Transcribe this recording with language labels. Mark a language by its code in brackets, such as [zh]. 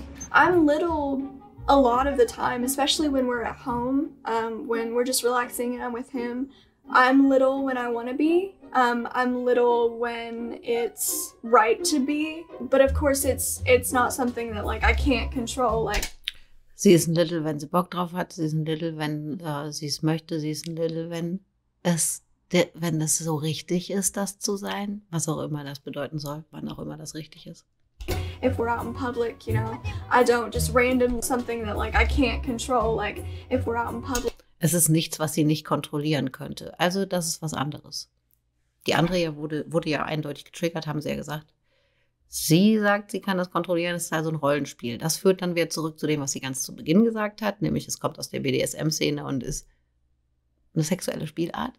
[en] I'm little a lot of the time, especially when we're at home, when we're just relaxing and I'm with him. I'm little when I want to be. I'm little when it's right to be. But of course, it's not something that like I can't control. Like, [de] sie ist ein little, wenn sie Bock drauf hat. Sie ist ein little, wenn sie es möchte. Sie ist ein little, wenn es so richtig ist, das zu sein. Was auch immer das bedeuten soll, wann auch immer das richtig ist. [en] If we're out in public, you know, I don't just random something that like I can't control. Like, if we're out in public. [de] Es ist nichts, was sie nicht kontrollieren könnte. Also das ist was anderes. Die Andrea wurde ja eindeutig getriggert, haben sie ja gesagt. Sie sagt, sie kann das kontrollieren, es ist also ein Rollenspiel. Das führt dann wieder zurück zu dem, was sie ganz zu Beginn gesagt hat, nämlich es kommt aus der BDSM-Szene und ist eine sexuelle Spielart.